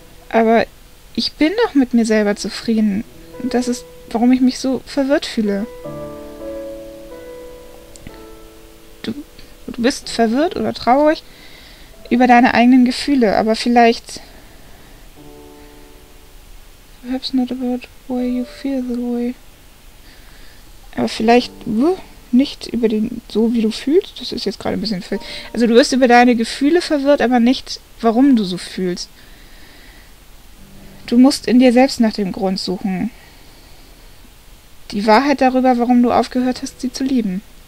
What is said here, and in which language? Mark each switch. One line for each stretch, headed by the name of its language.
German: Aber ich bin doch mit mir selber zufrieden. Das ist, warum ich mich so verwirrt fühle. Du bist verwirrt oder traurig über deine eigenen Gefühle, aber vielleicht.
English: Perhaps not about why you feel the way.
German: Aber vielleicht. Nicht über den, so wie du fühlst. Das ist jetzt gerade ein bisschen. Also, du wirst über deine Gefühle verwirrt, aber nicht, warum du so fühlst. Du musst in dir selbst nach dem Grund suchen. Die Wahrheit darüber, warum du aufgehört hast, sie zu lieben.